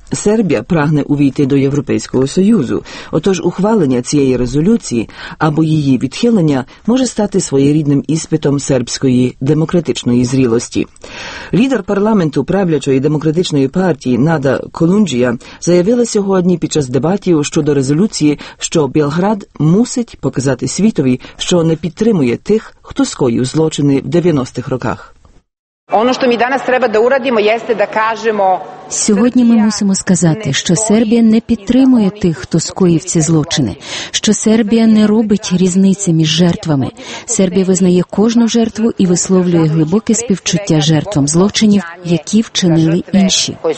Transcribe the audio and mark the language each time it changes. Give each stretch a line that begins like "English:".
Ukrainian: Сербія прагне увійти до Європейського Союзу, отож ухвалення цієї резолюції або її відхилення може стати своєрідним іспитом сербської демократичної зрілості. Лідер парламенту правлячої демократичної партії Нада Колунджія заявила сьогодні під час дебатів щодо резолюції, що Білград мусить показати світові, що не підтримує тих, хто скоїв злочини в 90-х роках.
Serbian: Ono što mi danas treba da uradimo jeste da kažemo
Ukrainian: сьогодні ми мусимо сказати, що Сербія не підтримує тих, хто скоїв ці злочини, що Сербія не робить різниці між жертвами. Сербія визнає кожну жертву і висловлює глибоке співчуття жертвам злочинів, які вчинили інші.